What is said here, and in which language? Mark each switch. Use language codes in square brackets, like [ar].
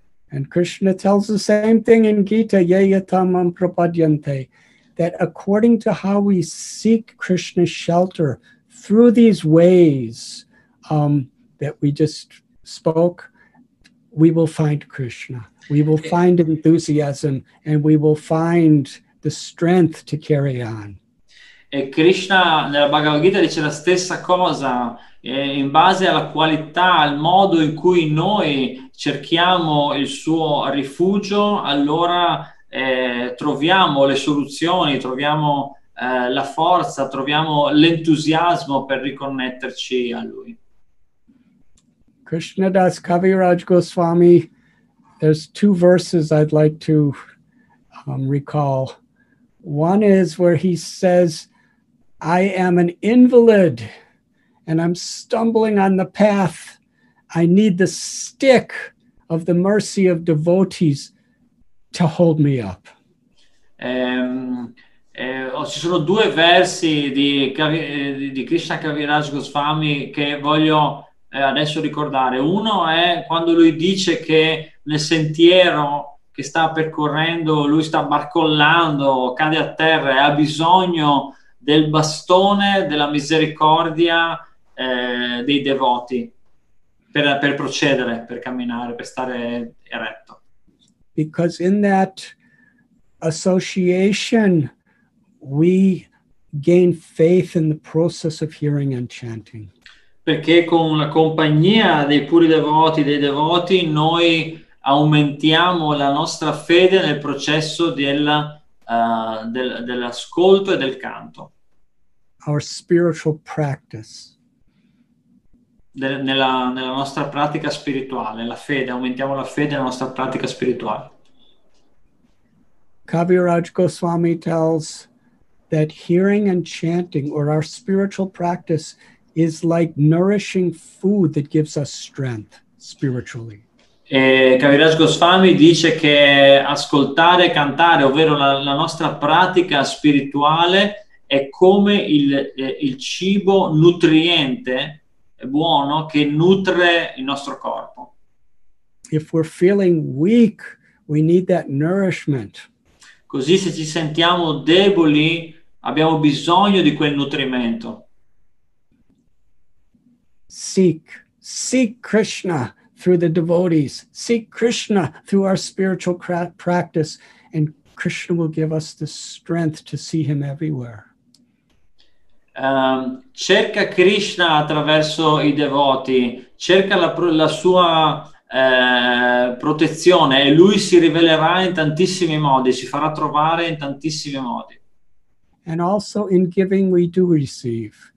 [en] And Krishna tells the same thing in Gita, [sa] yayatamam prapadyante, [en] that according to how we seek Krishna's shelter through these ways that we just spoke, we will find Krishna, we will find enthusiasm, and we will find the strength to carry on. [it] E Krishna nella Bhagavad Gita dice la stessa cosa, in base alla qualità, al modo in cui noi cerchiamo il suo rifugio, allora troviamo le soluzioni, troviamo la forza, troviamo l'entusiasmo per riconnetterci a lui. [en] Krishna Das Kaviraj Goswami, there's two verses I'd like to recall. One is where he says, I am an invalid and I'm stumbling on the path. I need the stick of the mercy of devotees to hold me up. [it] Ci sono due versi di Krishna Kaviraj Goswami che voglio adesso ricordare. Uno è quando lui dice che nel sentiero che sta percorrendo, lui sta barcollando, cade a terra e ha bisogno del bastone della misericordia dei devoti per procedere, per camminare, per stare eretto. [en] Because in that association we gain faith in the process of hearing and chanting. [it] Perché con la compagnia dei puri devoti, dei devoti, noi aumentiamo la nostra fede nel processo dell'ascolto e del canto. [en] Our spiritual practice. [it] Nella nostra pratica spirituale, la fede, aumentiamo la fede nella nostra pratica spirituale. [en] Kaviraj Goswami tells that hearing and chanting, or our spiritual practice, is like nourishing food that gives us strength spiritually. [it] E Kaviraj Goswami dice che ascoltare e cantare, ovvero la nostra pratica spirituale, è come il cibo nutriente buono che nutre il nostro corpo. [en] If we're feeling weak, we need that nourishment. [it] Così se ci sentiamo deboli, abbiamo bisogno di quel nutrimento. [en] Seek Krishna through the devotees, seek Krishna through our spiritual practice, and Krishna will give us the strength to see him everywhere. [it] cerca Krishna attraverso i devoti, cerca la sua protezione, e lui si rivelerà in tantissimi modi, si farà trovare in tantissimi modi. [en] And also in giving we do receive.